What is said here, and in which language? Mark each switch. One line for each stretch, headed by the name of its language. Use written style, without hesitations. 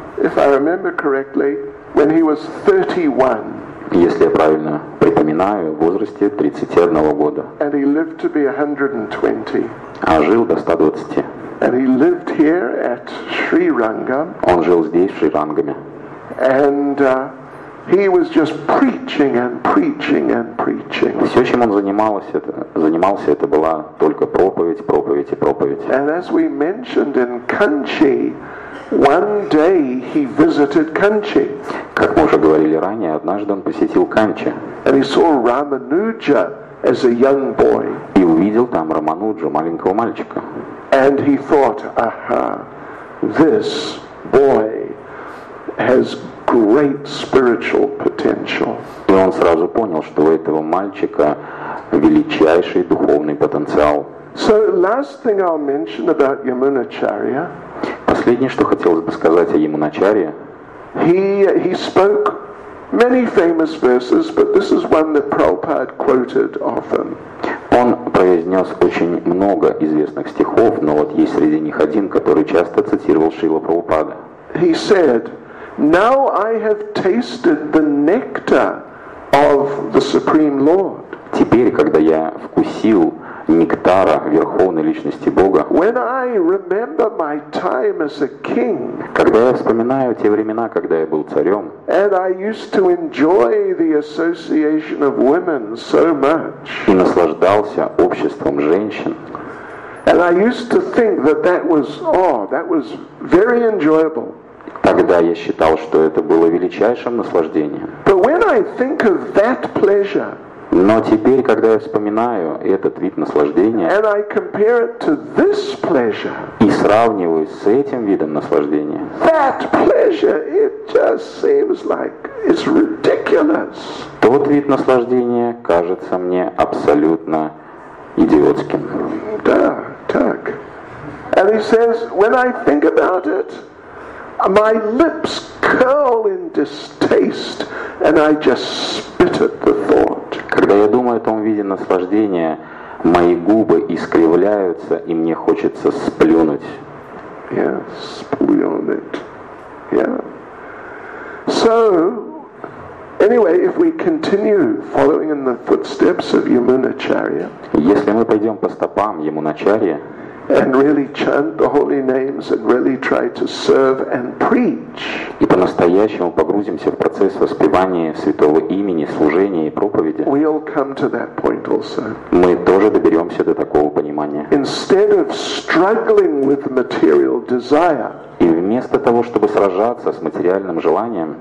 English: If I remember correctly, when he was 31.
Russian: Если я правильно припоминаю, в возрасте 31 года.
English: And he lived to be 120.
Russian: А жил до 120.
English: And he lived here at Sri Rangam.
Russian: Он жил здесь, в Шри Рангаме.
English: And he was just preaching and preaching and preaching.
Russian: Все, чем он занимался, это была только проповедь, проповедь и проповедь.
English: And as we mentioned in Kanchi, one day he visited Kanchi.
Russian: Как мы уже говорили ранее, однажды он посетил Канчи.
English: And he saw Рамануджа as a young boy.
Russian: И увидел там Рамануджу, маленького мальчика.
English: And he thought, aha, this boy has great spiritual potential.
Russian: И он сразу понял, что у этого мальчика величайший духовный потенциал.
English: So last thing I'll mention about Yamunacharya.
Russian: Последнее, что хотелось бы сказать о Ямуначарье.
English: He spoke many famous verses, but this is one that Prabhupada quoted often.
Russian: Он произнес очень много известных стихов, но вот есть среди них один, который часто цитировал Шрила Прабхупада.
English: He said, "Now I have tasted the nectar of the Supreme Lord."
Russian: Теперь, когда я вкусил нектара Верховной Личности Бога,
English: when I remember my time as a king,
Russian: когда я вспоминаю те времена, когда я был царем,
English: and I used to enjoy the association of women so much,
Russian: и наслаждался обществом женщин,
English: and I used to think that that was very enjoyable.
Russian: Тогда я считал, что это было величайшим наслаждением.
English: But when I think of that pleasure,
Russian: но теперь, когда я вспоминаю этот вид наслаждения,
English: and I compare it to this pleasure,
Russian: и сравниваю с этим видом наслаждения,
English: that pleasure, it just seems like it's ridiculous.
Russian: Тот вид наслаждения кажется мне абсолютно идиотским. Да, так.
English: And he says, when I think about it, my lips curl in distaste, and I just spit at the thought.
Russian: Когда я думаю о том виде наслаждения, мои губы искривляются, и мне хочется сплюнуть.
English: Yes,
Russian: сплюнуть.
English: Yeah. So, anyway, if we continue following in the footsteps of Yamunacharya,
Russian: если мы пойдем по стопам Ямуначарьи,
English: and really chant the holy names and really try to serve and preach,
Russian: и по-настоящему погрузимся в процесс воспевания святого имени, служения и проповеди,
English: we'll come to that point also.
Russian: Мы тоже доберемся до такого понимания.
English: Instead of struggling with material desire,
Russian: и вместо того, чтобы сражаться с материальным желанием,